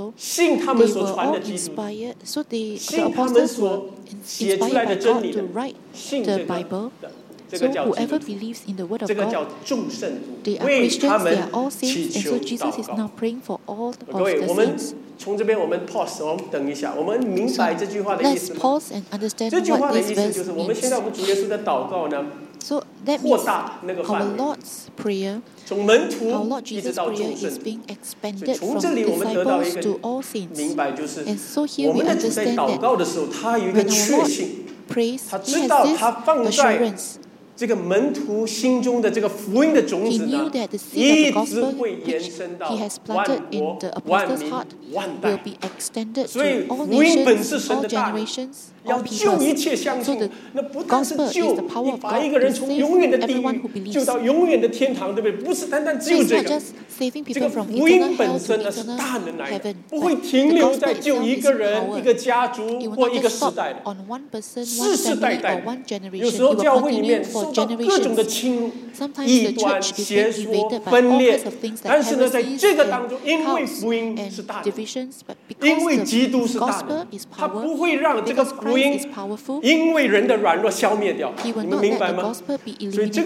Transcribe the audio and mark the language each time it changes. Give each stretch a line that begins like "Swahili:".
Chinese: 信他们所传的基督，信他们所写出来的真理的，信这个。
English: So whoever believes in the word of God, they are Christians. They are all saints, and so Jesus is now praying for all of the saints.
Chinese: 各位，我们从这边我们 pause， 我们等一下，我们明白这句话的意思。
English: Let's pause and understand what this verse means.
Chinese: 这句话的意思就是，我们现在我们主耶稣的祷告呢，
English: so that means our Lord's prayer, our Lord Jesus' prayer is being expanded from disciples to all saints. And so here we understand that when our Lord prays, he has this assurance.
Chinese: 这个门徒心中的这个福音的种子呢，一直会延伸到万国、万民、万代。所以福音本是神的大能，要救一切相信。那不但是救，你把一个人从永远的地狱救到永远的天堂，对不对？不是单单只有这个。这个福音本身呢是大能来的，不会停留在救一个人、一个家族或一个时代的，世世代代。有时候教会里面受
English: generations. Sometimes the church gets invaded by all kinds of things like heresies and divisions. But because the gospel is powerful, because Christ is powerful, he will not let the gospel be eliminated